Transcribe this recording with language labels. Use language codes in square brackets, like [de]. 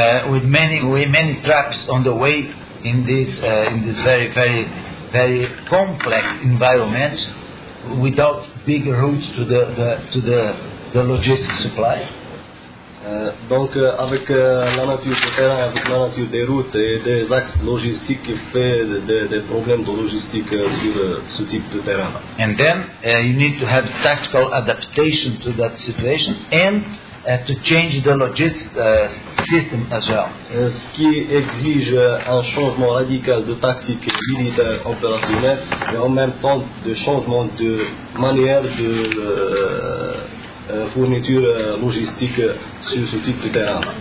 [en] With many traps on the way in this very very very complex environment, without big routes to the logistic supply. [fr] Avec la nature du terrain, avec la nature des routes et des axes logistiques qui fait des problèmes de logistique sur ce type de terrain. [en] And then you need to have tactical adaptation to that situation and to change the logistic system as well. [fr] Ce qui exige un changement radical de tactique militaire opérationnelle et en même temps de changement de manière de fourniture logistique sur ce type de terrain.